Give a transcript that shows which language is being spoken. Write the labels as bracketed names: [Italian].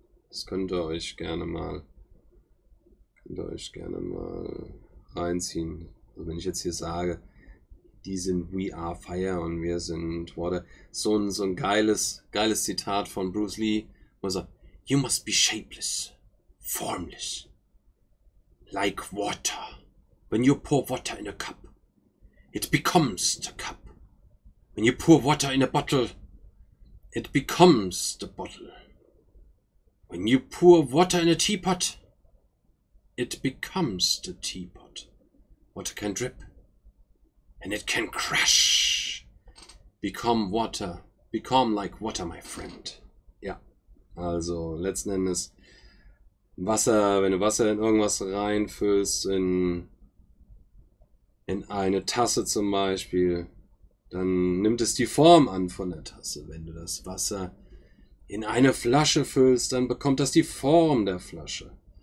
[German] Das könnt ihr euch gerne mal. Könnt ihr euch gerne mal reinziehen. Also wenn ich jetzt hier sage, die sind [English] We Are Fire [German] und wir sind Water. So ein geiles Zitat von Bruce Lee, wo er sagt, [English] you must be shapeless, formless, like water. When you pour water in a cup, it becomes the cup. When you pour water in a bottle, it becomes the bottle. When you pour water in a teapot, it becomes the teapot. Water can drip, and it can crash. Become like water, my friend. [German] Ja, also letzten Endes Wasser, wenn du Wasser in irgendwas reinfüllst, in eine Tasse zum Beispiel, dann nimmt es die Form an von der Tasse. Wenn du das Wasser in eine Flasche füllst, dann bekommt das die Form der Flasche.